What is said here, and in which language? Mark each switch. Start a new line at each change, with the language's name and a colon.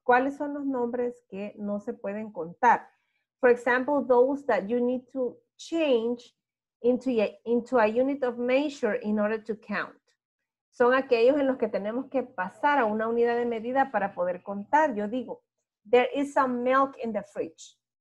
Spanish: ¿Cuáles son los nombres que no se pueden contar?
English: For example, those that you need to change into a unit of measure in order to count.
Spanish: Son aquellos en los que tenemos que pasar a una unidad de medida para poder contar. Yo digo,
English: there is some milk in the fridge.